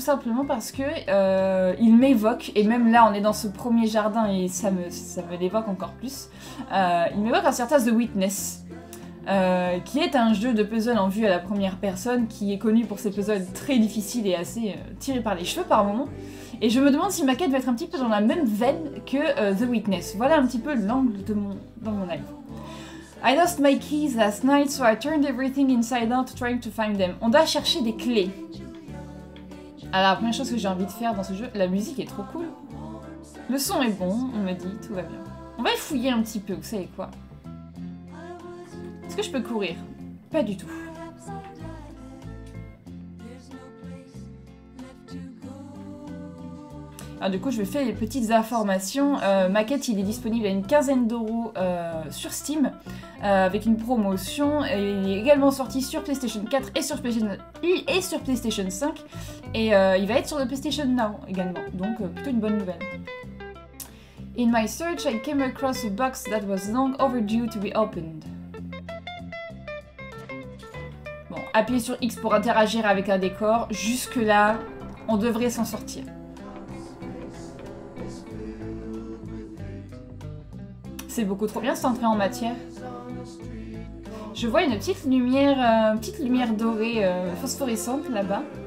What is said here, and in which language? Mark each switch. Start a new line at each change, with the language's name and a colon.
French: Tout simplement parce que il m'évoque, et même là on est dans ce premier jardin et ça me l'évoque encore plus, il m'évoque un certain The Witness. Qui est un jeu de puzzle en vue à la première personne, qui est connu pour ses puzzles très difficiles et assez tirés par les cheveux par moments. Et je me demande si maquette va être un petit peu dans la même veine que The Witness. Voilà un petit peu l'angle de dans mon live.
English: I lost my keys last night, so I turned everything inside out trying to find them.
French: On doit chercher des clés. Alors, première chose que j'ai envie de faire dans ce jeu, la musique est trop cool. Le son est bon, on me dit, tout va bien. On va y fouiller un petit peu, vous savez quoi? Est-ce que je peux courir? Pas du tout. Du coup, je vais faire les petites informations. Ma quête, il est disponible à une 15aine d'euros sur Steam, avec une promotion. Et il est également sorti sur PlayStation 4 et sur PlayStation 5. Et il va être sur le PlayStation Now également. Donc, plutôt une bonne nouvelle.
English: In my search, I came across a box that was long overdue to be opened.
French: Bon, appuyez sur X pour interagir avec un décor. Jusque-là, on devrait s'en sortir. C'est beaucoup trop bien, cette entrée en matière. Je vois une petite lumière dorée, phosphorescente, là-bas.